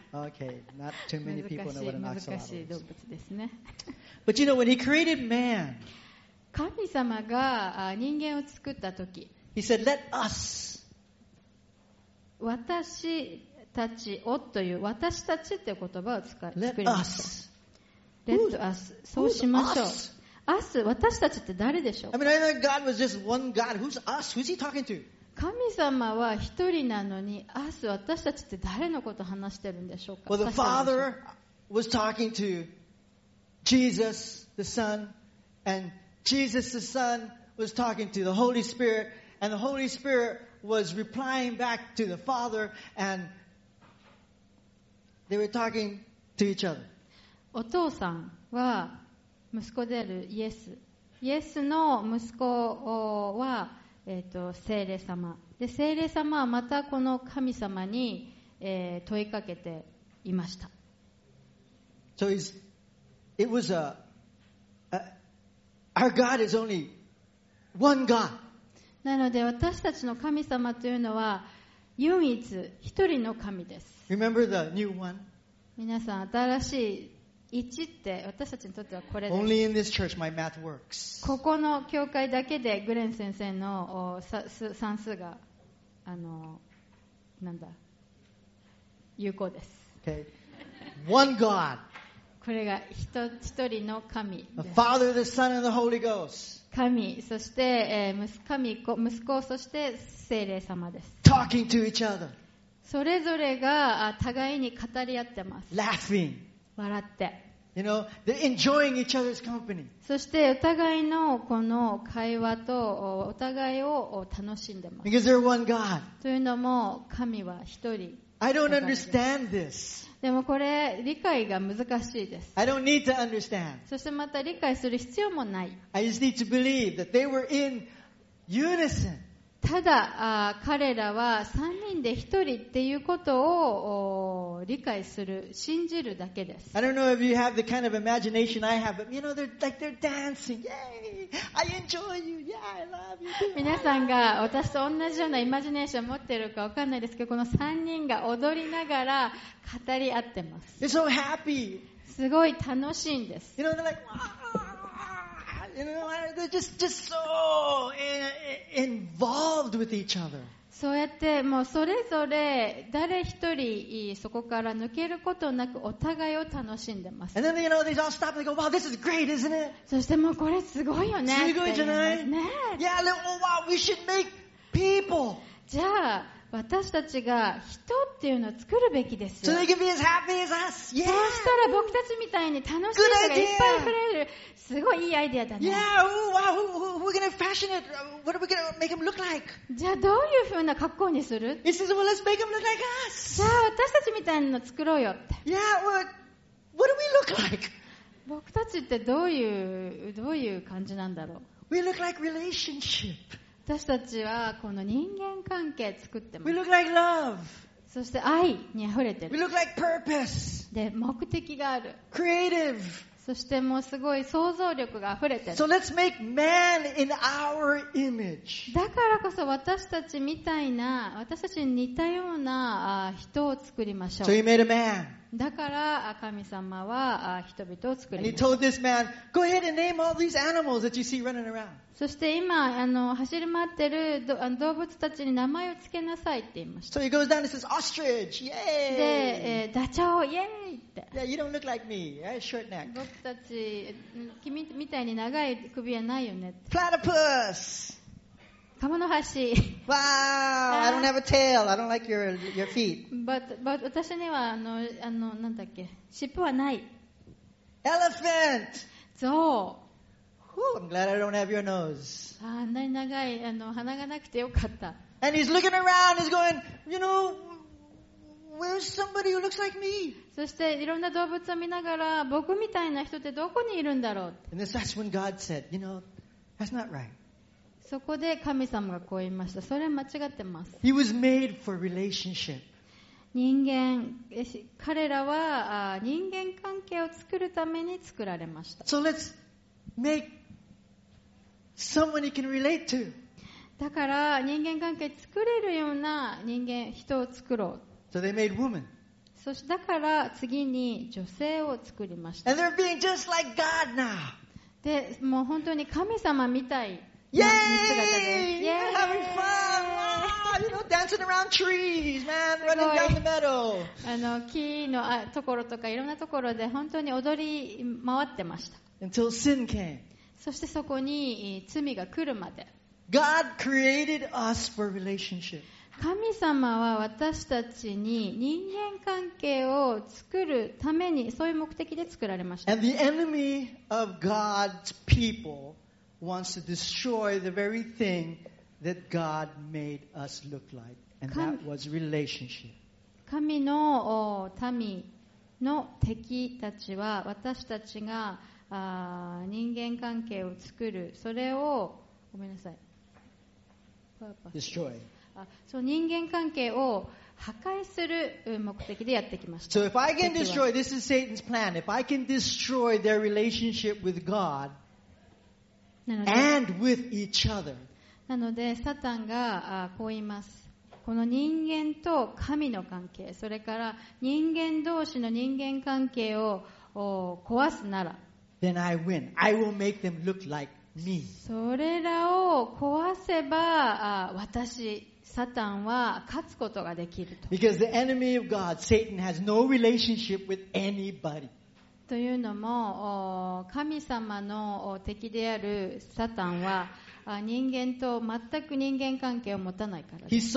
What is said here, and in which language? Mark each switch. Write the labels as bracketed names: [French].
[English] Okay, not too many people know what an axolotl is. [Japanese] 難しい動物ですね。 [English] But you know, when he created man, [Japanese] 神様が人間を作った時、 [English] he said, let us. [Japanese] 私、たちをという私たちという言葉を作りました。 [English] Let us. [Japanese] そうしましょう。 [English] Us? [Japanese] 私たちって誰でしょうか？ [English] I mean, I thought God was just one God. Who's us? Who's he talking to? [Japanese] 神様は一人なのに、 [English] us [Japanese] 私たちって誰のことを話してるんでしょうか [English] ？Well, the Father was talking to Jesus, the Son, and Jesus, the Son, was talking to the Holy Spirit, and the Holy Spirit was replying back to the Father, and they were talking to each other. [Japanese] お父さんは息子であるイエス、イエスの息子は、聖霊様で、聖霊様はまたこの神様に、問いかけていました。 [English] So it's, it was a, our God is only one God. [Japanese] なので私たちの神様というのは唯一一人の神です。 [English] Remember the new one? [Japanese] 皆さん新しい一って私たちにとってはこれです。 [English] Only in this church my math works. [Japanese] ここの教会だけでグレン先生の算数がなんだ有効です。 [English] Okay. One God. [Japanese] これが一人の神です。 [English] The Father, the Son, and the Holy Ghost. [Japanese] 神、そして、神子、息子、そして聖霊様です。 [English] Talking to each other. [Japanese] それぞれが互いに語り合ってます。 [English] Laughing. [Japanese] 笑って、 [English] you know, they're enjoying each other's company. [Japanese] そしてお互いのこの会話とお互いを楽しんでます。 [English] Because they're one God. [Japanese] というのも神は一人。 [English] I don't understand this. [Japanese] でもこれ理解が難しいです。 [English] I don't need to understand. [Japanese] そしてまた理解する必要もない。 [English] I just need to believe that they were in unison. [Japanese] ただ彼らは三人で一人っていうことを理解する、信じるだけです。 [English] I don't know if you have the kind of imagination I have, but you know, they're like they're dancing. Yay! I enjoy you. Yeah, I love you. [Japanese] 皆さんが私と同じようなイマジネーションを持ってるか分かんないですけど、この3人が踊りながら語り合ってます。 [English] They're so happy. [Japanese] すごい楽しいんです。 [English] You know, they're like, wah! You know, they're just so involved with each other. [Japanese] そうやってもうそれぞれ誰一人そこから抜けることなくお互いを楽しんでます。 [English] And then, you know, they all stop and go, wow, this is great, isn't it? [Japanese] そしてもうこれすごいよね、すごいじゃない、ね、 [English] Yeah, then, oh, wow, we should make people. [Japanese] じゃあ私たちが人っていうのを作るべきですよ。 [English] So they can be as happy as us. Yeah. [Japanese] そうしたら僕たちみたいに楽しい人がいっぱい溢れる。すごいいいアイデアだね。 [English] Yeah, oh, wow, we're gonna fashion it. What are we gonna make him look like? [Japanese] じゃあどういう風な格好にする？ [English] He says, well, let's make him look like us. [Japanese] じゃあ私たちみたいなの作ろうよって。 [English] Yeah, well, what do we look like? [Japanese] 僕たちってどういう感じなんだろう？ [English] We look like relationship. [Japanese] 私たちはこの人間関係作ってます。 [English] We look like love. [Japanese] そして愛に溢れてる。 [English] We look like purpose. [Japanese] で、目的がある。 [English] Creative. [Japanese] そしてもうすごい想像力が溢れてる。 [English] So let's make man in our image. [Japanese] だからこそ私たちみたいな、私たちに似たような人を作りましょう。 [English] So he made a man. [Japanese] だから神様は人々を作りました [English] And he told this man, go ahead and name all these animals that you see running around. [Japanese] そして今走り回ってる動物たちに名前をつけなさいって言いました。 [English] So he goes down and says, ostrich, yay! [Japanese] で、ダチョウ、イエーイ。 [English] Yeah, you don't look like me. I have short neck. [Japanese] 僕たち、君みたいに長い首はないよね。 [English] Platypus. [Japanese] カモノハシ。 [English] Wow, I don't have a tail. I don't like your feet. But [Japanese] 私にはなんだっけ、尻尾はない。 [English] Elephant. [Japanese] ゾウ。 [English] Whew, I'm glad I don't have your nose. [Japanese] あんなに長い鼻がなくてよかった。 [English] And he's looking around. He's going, you know. Where's somebody who looks like me? [Japanese] そしていろんな動物を見ながら僕みたいな人ってどこにいるんだろう。 And that's when God said, you know, that's not right. そこで神様がこう言いました。それは間違ってます。 [English] He was made for relationship. [Japanese] 人間、彼らは人間関係を作るために作られました。 [English] So let's make someone you can relate to. [Japanese] だから人間関係作れるような人間、人を作ろう。 [English] So they made woman. [Japanese] そしてだから次に女性を作りました。 [English] And they're being just like God now. [Japanese] で、もう本当に神様みたい。 [English] Yay! Yay! You're having fun! Wow! You know, dancing around trees, man, running down the meadow. [Japanese] 木のところとかいろんなところで本当に踊り回ってました。 [English] Until sin came. [Japanese] そしてそこに罪が来るまで。 [English] God created us for relationship. [Japanese] 神様は私たちに人間関係を作るためにそういう目的で作られました。 [English] And the enemy of God's people wants to destroy the very thing that God made us look like, and that was relationship. [Japanese] 神の民の敵たちは私たちが人間関係を作る、それをごめんなさい、 [English] destroy。 [Japanese] そう、人間関係を破壊する目的でやってきました。 [English] So if I can destroy, this is Satan's plan. If I can destroy their relationship with God and with each other. [Japanese] なのでサタンがこう言います。この人間と神の関係、それから人間同士の人間関係を壊すなら、 [English] then I win. I will make them look like me. [Japanese] それらを壊せば私、サタンは勝つことができると。 [English] Because the enemy of God, Satan, has no relationship with anybody. [Japanese] というのも神様の敵であるサタンは人間と全く人間関係を持たないからです